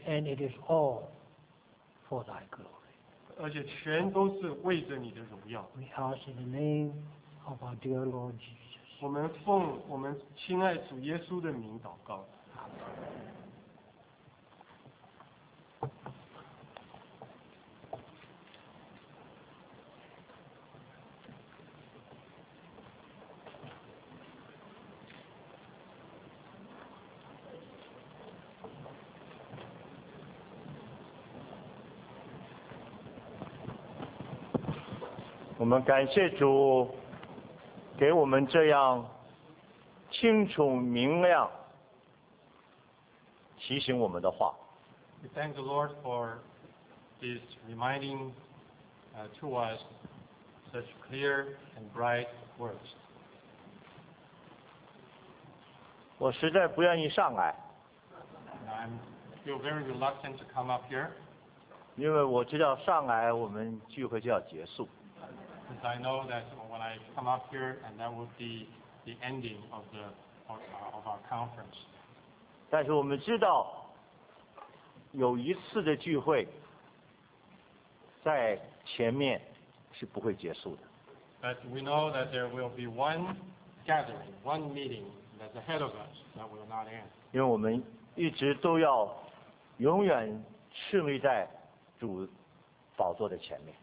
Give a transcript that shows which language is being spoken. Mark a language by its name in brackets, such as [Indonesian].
[English] and it is all for thy glory [Chinese] 而且全都是为着你的荣耀。 [English] We ask in the name of our dear Lord Jesus. [Chinese] 我们奉我们亲爱主耶稣的名祷告。我们感谢主给我们这样清楚明亮提醒我们的话。 [English] We thank the Lord for this reminding to us such clear and bright words. [Chinese] 我实在不愿意上来。 [English] I'm feel very reluctant to come up here. [Chinese] 因为我知道上来我们聚会就要结束。 [English] Because I know that when I come up here, and that will be the ending of the of our conference. [Chinese] 但是我们知道，有一次的聚会，在前面是不会结束的。 [English] But we know that there will be one gathering, one meeting that's ahead of us that will not end. [Chinese] 因为我们一直都要永远侍立在主宝座的前面。